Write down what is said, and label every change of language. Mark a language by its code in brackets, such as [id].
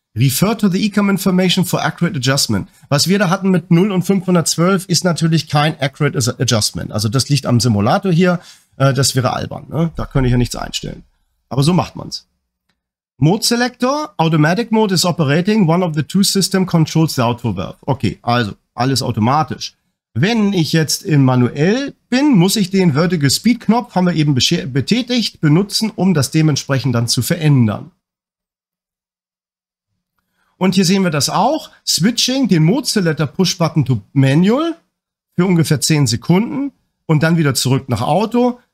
[en] Refer to the ECAM information for accurate adjustment. [de] Was wir da hatten mit 0 und 512 ist natürlich kein [en] accurate adjustment. [de] Also das liegt am Simulator hier. Das wäre albern. Ne? Da könnte ich ja nichts einstellen. Aber so macht man es. [en] Mode Selector, Automatic Mode is operating, one of the two system controls the outflow valve. [de] Okay, also alles automatisch. Wenn ich jetzt in manuell bin, muss ich den Vertical Speed Knopf, haben wir eben betätigt, benutzen, um das dementsprechend dann zu verändern. Und hier sehen wir das auch, Switching den Mode Selector [en] Push Button to Manual [de] für ungefähr 10 Sekunden und dann wieder zurück nach Auto.